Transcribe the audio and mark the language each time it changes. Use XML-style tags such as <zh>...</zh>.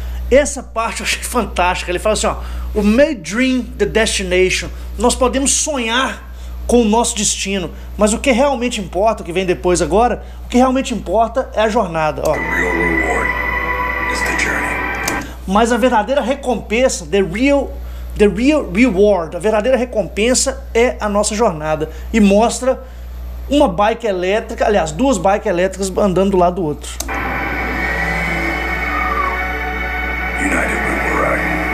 <pt>Essa parte eu achei fantástica. Ele fala assim, ó,</pt> <en>we may dream the destination.</en> <pt>Nós podemos sonhar com o nosso destino, mas o que realmente importa, o que vem depois agora, o que realmente importa é a jornada. Ó.</pt> <en>The real reward is the journey.</en> <pt>Mas a verdadeira recompensa,</pt> <en>the real reward,</en> <pt>a verdadeira recompensa é a nossa jornada. E mostra uma bike elétrica, aliás, duas bikes elétricas andando do lado do outro.</pt> <en>United we will ride.</en>